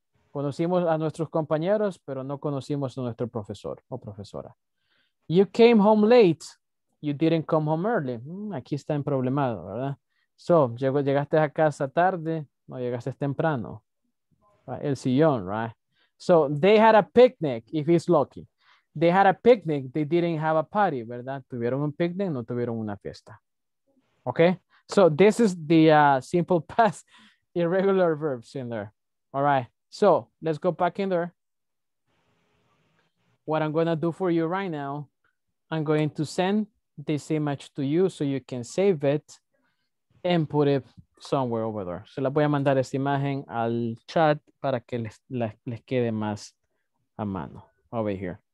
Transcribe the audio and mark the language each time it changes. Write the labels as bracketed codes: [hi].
[es] Conocimos a nuestros compañeros, pero no conocimos a nuestro profesor o profesora. [en] You came home late. You didn't come home early. [es] Aquí está en problemado, ¿verdad? So, llegaste a casa tarde, no llegaste temprano. Right? El sillón, [en] right? So, they had a picnic, if he's lucky. They had a picnic, they didn't have a party, [es] ¿verdad? Tuvieron un picnic, no tuvieron una fiesta. Okay? [en] So, this is the simple past irregular verbs in there. All right. So, let's go back in there. What I'm going to do for you right now, I'm going to send this image to you so you can save it and put it somewhere over there. [es] So, la voy a mandar esta imagen al chat para que les quede más a mano [en] over here.